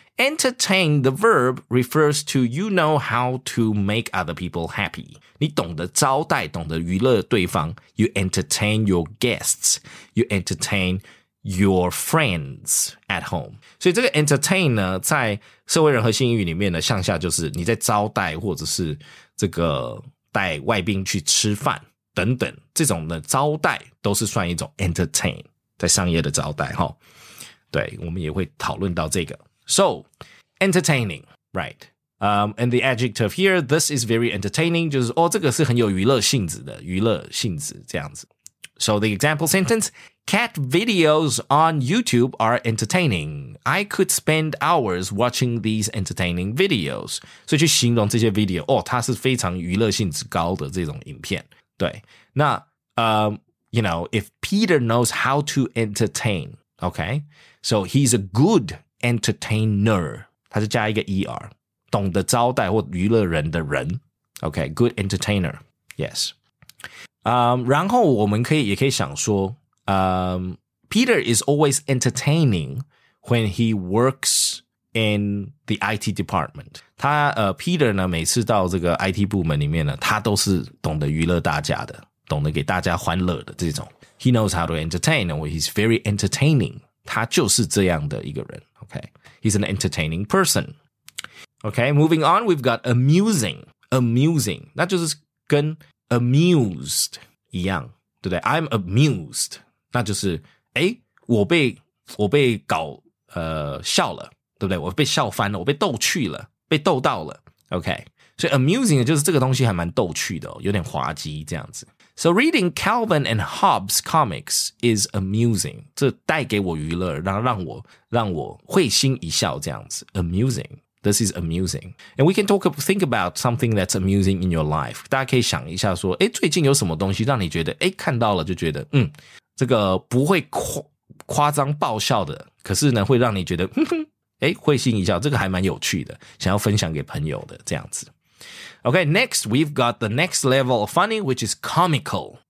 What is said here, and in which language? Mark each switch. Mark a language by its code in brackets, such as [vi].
[en] Entertain, the verb, refers to you know how to make other people happy. [zh] 你懂得招待，懂得娱乐对方。 [en] You entertain your guests. You entertain your friends at home. [zh] 所以这个 entertain 呢，在社会人和新英语里面呢，向下就是你在招待或者是这个带外宾去吃饭等等，这种的招待都是算一种 entertain， 在商业的招待齁。对，我们也会讨论到这个。 [en] So, entertaining, right. And the adjective here, this is very entertaining, [zh] 就是哦，这个是很有娱乐性质的，娱乐性质这样子。 [en] So the example sentence, cat videos on YouTube are entertaining. I could spend hours watching these entertaining videos. [zh] 所以去形容这些 video, 哦，它是非常娱乐性质高的这种影片。对，那 [en] you know, if Peter knows how to entertain, okay? So he's a good entertainer. [zh] 他是加一个 ER, 懂得招待或娱乐人的人。 [en] Okay, good entertainer, yes. [zh] 然后我们可以也可以想说 [en] Peter is always entertaining when he works in the IT department. [zh] 他Peter 呢每次到这个 IT 部门里面呢他都是懂得娱乐大家的懂得给大家欢乐的这种。 [en] He knows how to entertain, or he's very entertaining. [zh] 他就是这样的一个人 [en] okay? He's an entertaining person. Okay, moving on, we've got amusing. [zh] Amusing, 那就是跟amused 一样对不对 [en] I'm amused [zh] 那就是诶我被搞笑了对不对我被笑翻了我被逗趣了被逗到了 OK 所以 amusing 就是这个东西还蛮逗趣的、哦、有点滑稽这样子 [en] So reading Calvin and Hobbes comics is amusing [zh] 这带给我娱乐让我会心一笑这样子 [en] amusingThis is amusing. And we can think about something that's amusing in your life. [zh] 大家可以想一下说诶最近有什么东西让你觉得诶看到了就觉得嗯这个不会夸张爆笑的可是呢会让你觉得哼哼诶会心一笑这个还蛮有趣的想要分享给朋友的这样子。 [en] Okay, next, we've got the next level of funny, which is comical.